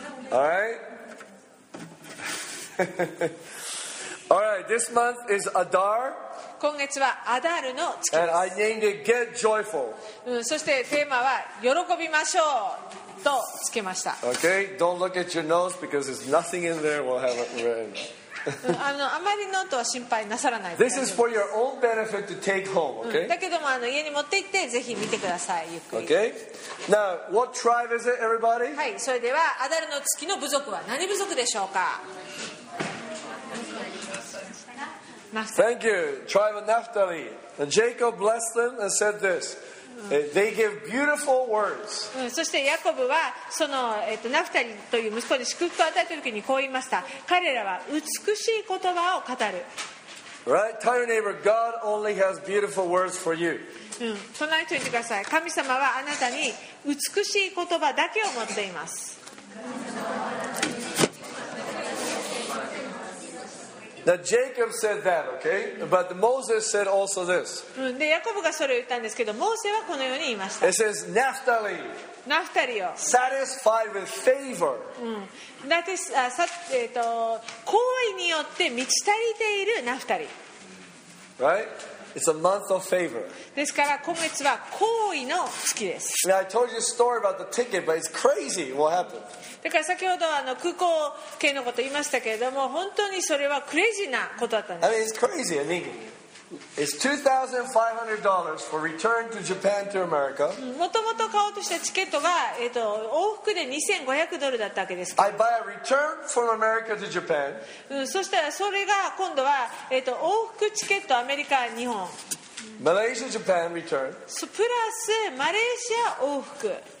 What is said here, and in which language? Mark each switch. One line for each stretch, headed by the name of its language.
English: All right. All right. This month is Adar.
Japanese: 今月はアダールの月です。
English: And I named it Get Joyful.
Japanese: そしてテーマは喜びましょうとつけました。
English: Okay. Don't look at your notes because there's nothing in there we'll have written.
Japanese: あまりノートは心配なさらないで。
English: This is for your own benefit to take home. Okay.
Japanese: だけども家に持って行ってぜひ見てくださいゆっくり。
English: Okay. Now, what tribe is it, everybody?
Japanese: はい。それではアダールの月の部族は何部族でしょうか。
English: Thank you, tribe of Naphtali. And Jacob blessed them and said this. They give beautiful words.
Japanese: そしてヤコブはそのナフタリという息子に祝福を与えた時にこう言いました。彼らは美しい言葉を語る。
English: Right, tell your neighbor, God only has beautiful words for you.
Japanese: 隣に言ってください。神様はあなたに美しい言葉だけを持っています。
English: Now Jacob said that, okay? But Moses said also this.
Japanese: で、ヤコブがそれを言ったんですけど、モーセはこのように言いました。
English: It says, Naphtali.
Japanese: Naphtali を。
English: Satisfied with favor. That is,
Japanese: 好意によって満ち足りているナフタリ。
English: Right? It's a month of favor.
Japanese: ですから今月は好意の月です。
English: Now I told you a story about the ticket, but it's crazy what happened.
Japanese: だから先ほど空港系のこと言いましたけれども本当にそれはクレイジーなことだったんです。
English: I mean, it's crazy. I mean, it's $2,500 for return to Japan to America.
Japanese: もともと買おうとしたチケットが往復で$2,500だったわけですから。
English: I buy a return from America to Japan.
Japanese: そしたらそれが今度は往復チケットアメリカ日本。
English: Malaysia Japan return.
Japanese: プラスマレーシア往復。